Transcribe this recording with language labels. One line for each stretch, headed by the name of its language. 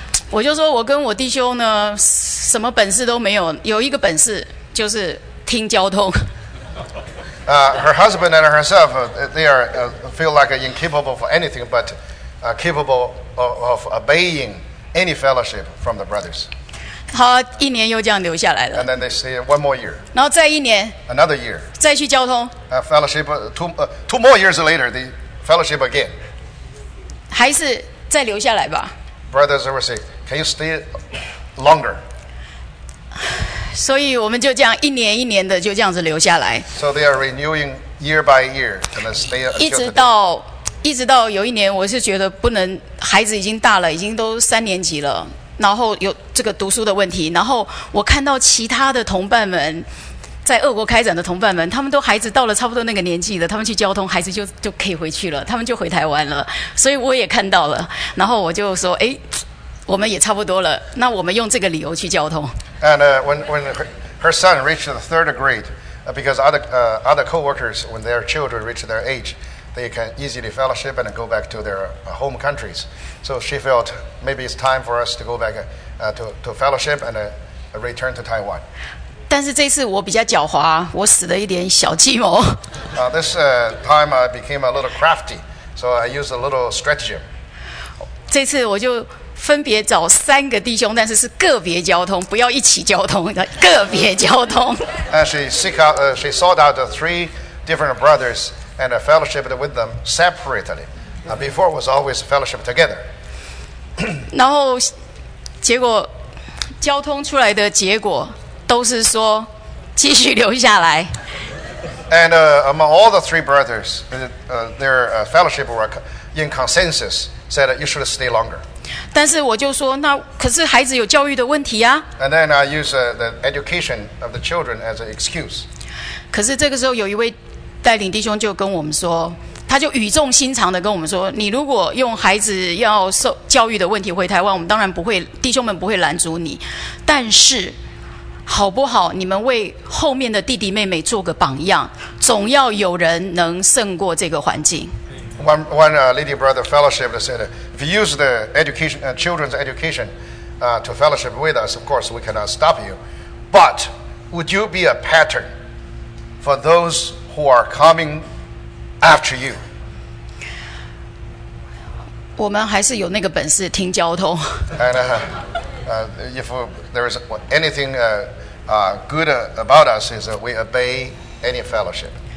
Chinese: 我就说我跟我弟兄呢什么本事都没有，有一个本事就是听交通。
English: Her husband and herself, they are feel like incapable for anything but capable of obeying any fellowship from the brothers.
Chinese: 好，一年又这样留下来了。
English: And then they stay one more year.
Chinese: 然后再一年。
English: Another year.
Chinese: 再去交通。
English: Fellowship two more years later, they fellowship again.
Chinese: 还是再留下来吧。
English: Brothers will say, "Can you stay longer?" So we just this year by year. So they are renewing year by year, and then stay.
Chinese: 一直到有一年，我是觉得不能，孩子已经大了，已经都三年级了，然后有这个读书的问题，然后我看到其他的同伴们。在俄国开展的同伴们，他们都孩子到了差不多那个年纪了，他们去交通，孩子就可以回去了，他们就回台湾了。所以我也看到了，然后我就说，哎，我们也差不多了，那我们用这个理由去交通。
English: And when her son reached the third grade, because other co-workers, when their children reach their age, they can easily fellowship and go back to their home countries. So she felt maybe it's time for us to go back to fellowship and return to Taiwan.
Chinese: 但是这次我比较狡猾，我使了一点小计谋。
English: This time I became a little crafty, so I used a little stratagem.
Chinese: 这次我就分别找三个弟兄，但是个别交通，不要一起交通，个别交通。
English: She sought out three different brothers and fellowshiped with them separately. Before it was always fellowship together.
Chinese: 然后结果交通出来的结果。都是说继续留下来。
English: And among all the three brothers, their fellowship were in consensus said you should stay longer.
Chinese: 但是我就说，那可是孩子有教育的问题啊。
English: And then I use the education of the children as an excuse.
Chinese: 可是这个时候有一位带领弟兄就跟我们说，他就语重心长的跟我们说，你如果用孩子要受教育的问题回台湾，我们当然不会，弟兄们不会拦阻你，但是。好不好？你们为后面的弟弟妹妹做个榜样，总要有人能胜过这个环境。
English: One lady brother fellowship said, "If you use the education, children's education, to fellowship with us, of course we cannot stop you. But would you be a pattern for those who are coming after you?"
Chinese: 我们还是有那个本事听交通。
English: And, if there is anything, good about us is we obey any fellowship.